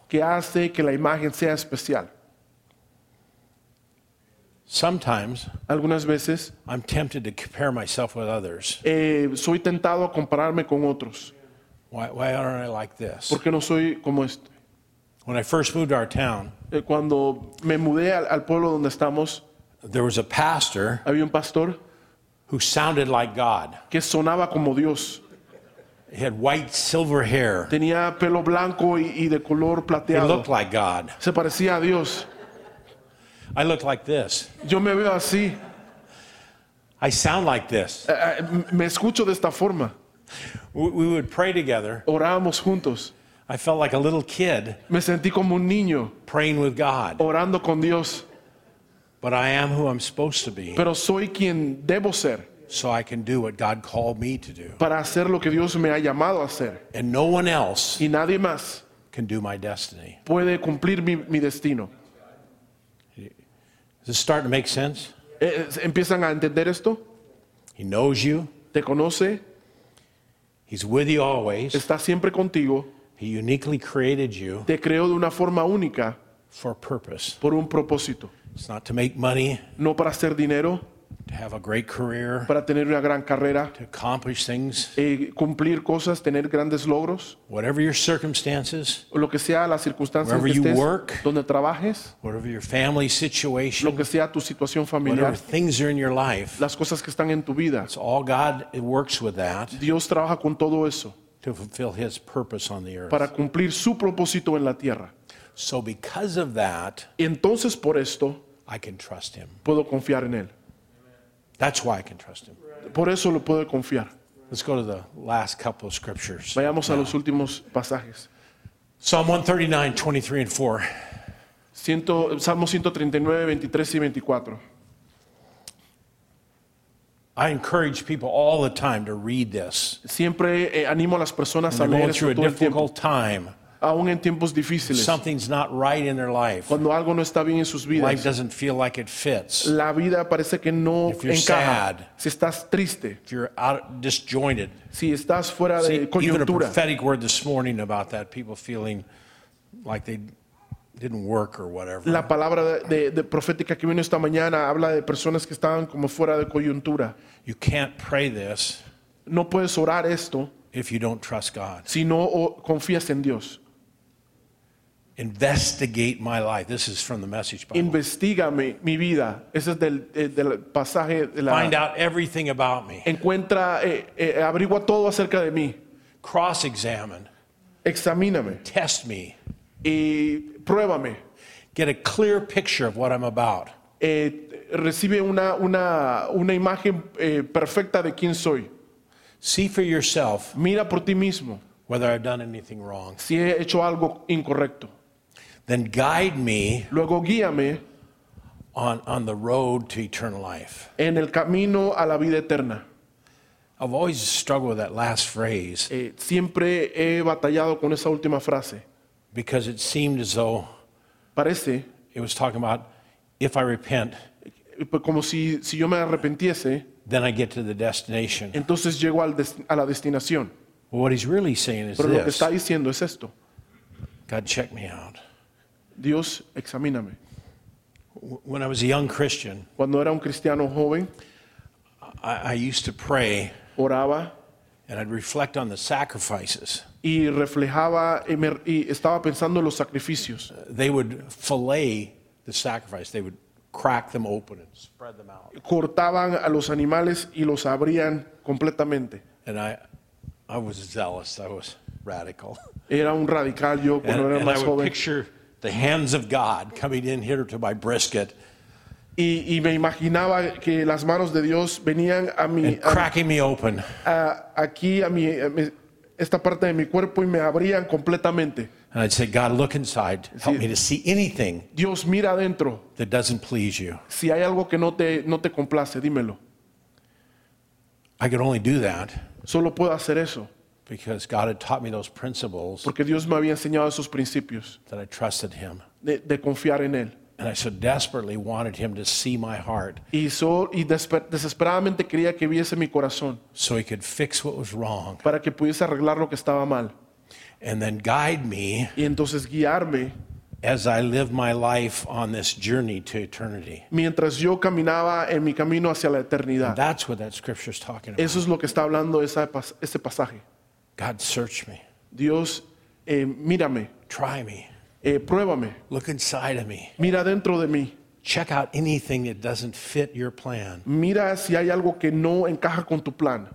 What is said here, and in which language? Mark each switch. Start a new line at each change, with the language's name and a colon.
Spanish: Que hace que la imagen sea especial.
English: Sometimes,
Spanish: algunas veces,
English: I'm tempted to compare myself with others.
Spanish: Soy tentado a compararme con otros.
English: Why aren't I like this?
Spanish: ¿Por qué no soy como este?
English: When I first moved to our town,
Spanish: cuando me mudé al pueblo donde estamos,
English: there was a pastor,
Spanish: había un pastor
English: who sounded like God.
Spanish: Que sonaba como Dios.
English: He had white silver hair.
Spanish: Tenía pelo blanco y de color plateado.
English: He looked like God.
Spanish: Se parecía a Dios.
English: I look like this.
Spanish: Yo me veo así.
English: I sound like this.
Spanish: Me escucho de esta forma.
English: We would pray together.
Spanish: Orábamos juntos.
English: I felt like a little kid.
Spanish: Me sentí como un niño.
English: Praying with God.
Spanish: Orando con Dios.
English: But I am who I'm supposed to be.
Spanish: Pero soy quien debo ser.
English: So I can do what God called me to do.
Spanish: Para hacer lo que Dios me ha llamado a hacer.
English: And no one else.
Spanish: Y nadie más.
English: Can do my destiny.
Spanish: Puede cumplir mi destino.
English: Is it starting to make sense?
Spanish: ¿Empiezan a entender esto?
English: He knows you.
Spanish: Te conoce.
English: He's with you always.
Spanish: Está siempre contigo.
English: He uniquely created you.
Spanish: Te creó de una forma única.
English: For a purpose.
Spanish: Por un propósito.
English: It's not to make money.
Spanish: No para hacer dinero.
English: To have a great career.
Spanish: Para tener una gran carrera.
English: To accomplish things.
Spanish: Cumplir cosas, tener grandes logros.
English: Whatever your circumstances.
Spanish: Lo que sea las circunstancias.
English: Wherever
Spanish: estés,
English: you work.
Spanish: Donde trabajes.
English: Whatever your family situation.
Spanish: Lo que sea tu situación familiar.
English: Whatever things are in your life.
Spanish: Las cosas que están en tu vida.
English: It's all God works with that.
Spanish: Dios trabaja con todo eso.
English: To fulfill His purpose on the earth.
Spanish: Para cumplir su propósito en la tierra.
English: So because of that.
Spanish: Entonces por esto.
English: I can trust Him.
Spanish: Puedo confiar en Él.
English: That's why I can trust Him.
Spanish: Por eso lo puedo confiar.
English: Let's go to the last couple of scriptures.
Spanish: Vayamos a los últimos pasajes.
English: Psalm 139, 23 and 4.
Spanish: Salmo 139, 23 y 24.
English: I encourage people all the time to read this.
Spanish: Siempre animo a las personas a leer esto todo el tiempo.
English: A difficult time.
Spanish: Aún en tiempos difíciles.
English: Something's not right in their life.
Spanish: Cuando algo no está bien en sus vidas.
English: Life doesn't feel like it fits.
Spanish: La vida parece que no encaja.
English: Sad,
Spanish: si estás triste.
English: If you're out, disjointed.
Spanish: Si estás fuera de coyuntura.
English: Even a prophetic word this morning about that. People feeling like they didn't work or whatever.
Spanish: La palabra de profética que vino esta mañana habla de personas que estaban como fuera de coyuntura.
English: You can't pray this.
Spanish: No puedes orar esto.
English: If you don't trust God.
Spanish: Si no confías en Dios.
English: Investigate my life. This is from the Message Bible.
Spanish: Investígame mi vida. Ese es del pasaje de la.
English: Find out everything about me.
Spanish: Encuentra, averigua todo acerca de mí.
English: Cross-examine.
Spanish: Examíname.
English: Test me.
Spanish: Y pruébame.
English: Get a clear picture of what I'm about.
Spanish: Recibe una imagen perfecta de quién soy.
English: See for yourself.
Spanish: Mira por ti mismo.
English: Whether I've done anything wrong.
Spanish: Si he hecho algo incorrecto.
English: Then guide me.
Spanish: Luego guíame.
English: On the road to eternal life.
Spanish: En el camino a la vida eterna.
English: I've always struggled with that last phrase.
Spanish: Siempre he batallado con esa última frase.
English: Because it seemed as though.
Spanish: Parece.
English: It was talking about if I repent.
Spanish: Como si yo me arrepintiese.
English: Then I get to the destination.
Spanish: Entonces llego a la destinación.
English: Well, what he's really saying is
Spanish: pero
English: this.
Spanish: Lo que está diciendo es esto.
English: God, check me out.
Spanish: Dios, examíname.
English: When I was a young Christian.
Spanish: Cuando era un cristiano joven.
English: I used to pray.
Spanish: Oraba.
English: And I'd reflect on the sacrifices.
Spanish: Y reflejaba y estaba pensando en los sacrificios.
English: They would fillet the sacrifice. They would crack them open and spread them out.
Spanish: Cortaban a los animales y los abrían completamente.
English: And I was zealous. I was radical.
Spanish: Era un radical yo cuando era más joven.
English: And I would picture the hands of God coming in here to my brisket.
Spanish: Y me imaginaba que las manos de Dios venían a mi,
English: and cracking me open.
Spanish: Aquí a mi, esta parte de mi cuerpo y me abrían completamente.
English: And I'd say, God, look inside. Help me to see anything.
Spanish: Dios, mira adentro.
English: That doesn't please you.
Spanish: Si hay algo que no te complace, dímelo.
English: I could only do that.
Spanish: Solo puedo hacer eso.
English: Because God had taught me those principles.
Spanish: Porque Dios me había enseñado esos principios.
English: That I trusted Him.
Spanish: De confiar en él.
English: And I so desperately wanted Him to see my heart.
Spanish: Desesperadamente quería que viese mi corazón.
English: So He could fix what was wrong.
Spanish: Para que pudiese arreglar lo que estaba mal.
English: And then guide me.
Spanish: Y entonces guiarme.
English: As I live my life on this journey to eternity.
Spanish: Mientras yo caminaba en mi camino hacia la eternidad.
English: And that's what that scripture is talking about.
Spanish: Eso es lo que está hablando ese pasaje.
English: God, search me.
Spanish: Dios, mírame.
English: Try me.
Spanish: Pruébame.
English: Look inside of me.
Spanish: Mira dentro de mí.
English: Check out anything that doesn't fit your plan.
Spanish: Mira si hay algo que no encaja con tu plan.